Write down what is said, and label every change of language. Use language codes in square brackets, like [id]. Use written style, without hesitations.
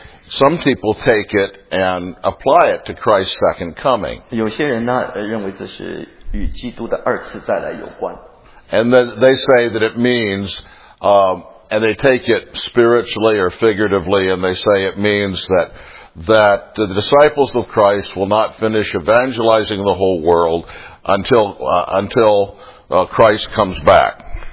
[en] Some people take it and apply it to Christ's second coming. [zh] 有些人呢认为这是与基督的二次再来有关。 [en] And they say that it means, and they take it spiritually or figuratively, and they say it means that that the disciples of Christ will not finish evangelizing the whole world until Christ comes back.